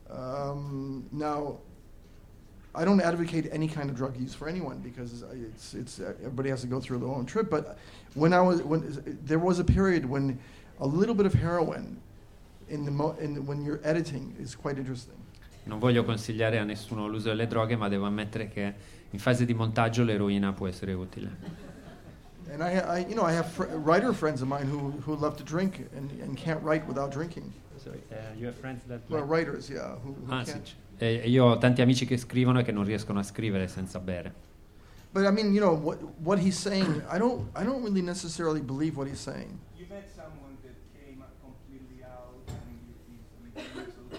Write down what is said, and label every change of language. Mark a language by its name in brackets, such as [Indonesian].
[English] Now, I don't advocate any kind of drug use for anyone because it's everybody has to go through their own trip. But when there was a period when a little bit of heroin when you're editing is quite interesting. [Italian] Non voglio consigliare a nessuno l'uso delle droghe, ma devo ammettere che in fase di montaggio l'eroina può essere utile. [English] And I you know, I have writer friends of mine who love to drink and can't write without drinking. You have friends that like writers, yeah. [Italian] Io ho tanti amici che scrivono e che non riescono a scrivere senza bere. [English] But I mean, you know, what he's saying, I don't really necessarily believe what he's saying. You met someone that came completely out and